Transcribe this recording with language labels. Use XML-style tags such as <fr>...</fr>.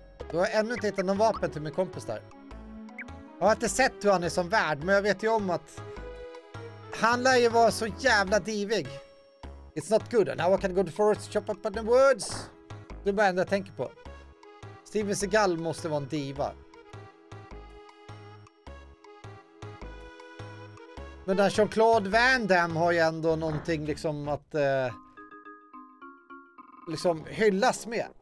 <sv>Du har ännu inte hittat någon vapen till min kompis där. Jag har inte sett hur han är som värd, men jag vet ju om att... Han lär ju vara så jävla divig.</sv> <en>It's not good. Now I can go to the forest to chop up the woods.</en> <sv>Det är bara enda jag tänker på. Steven Seagal måste vara en diva. Men där Jean-Claude Van Damme har ju ändå någonting liksom att liksom hyllas med.</sv>